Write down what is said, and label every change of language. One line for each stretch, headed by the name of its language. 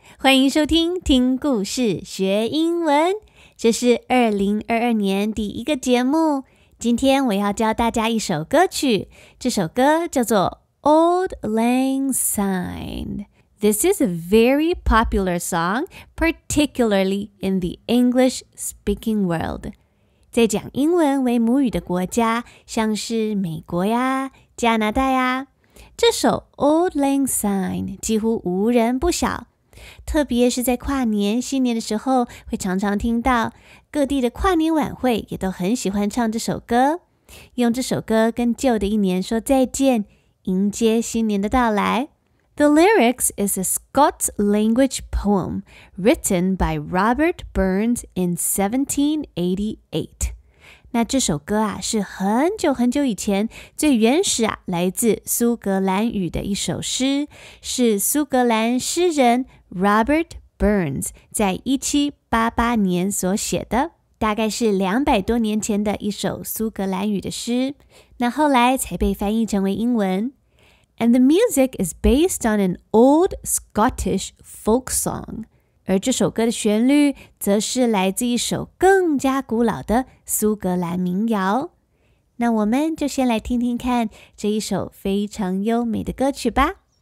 Chinese: 欢迎收听听故事学英文。这是2022年第一个节目。今天我要教大家一首歌曲。这首歌叫做 Auld Lang Syne.
English: This is a very popular song, particularly in the English speaking world.
Chinese: 在讲英文为母语的国家，像是美国呀，加拿大呀。这首 Auld Lang Syne 几乎无人不晓，特别是在跨年新年的时候会常常听到，各地的跨年晚会也都很喜欢唱这首歌，用这首歌跟旧的一年说再见，迎接新年的到来。
English: The lyrics is a Scots language poem written by Robert Burns in 1788.
Chinese: 那这首歌啊，是很久很久以前最原始啊，来自苏格兰语的一首诗，是苏格兰诗人 Robert Burns 在1788年所写的，大概是200多年前的一首苏格兰语的诗，那后来才被翻译成为英文。
English: And the music is based on an old Scottish folk song.
Chinese: 而这首歌的旋律则是来自一首更加古老的苏格兰民谣。那我们就先来听听看这一首非常优美的歌曲吧。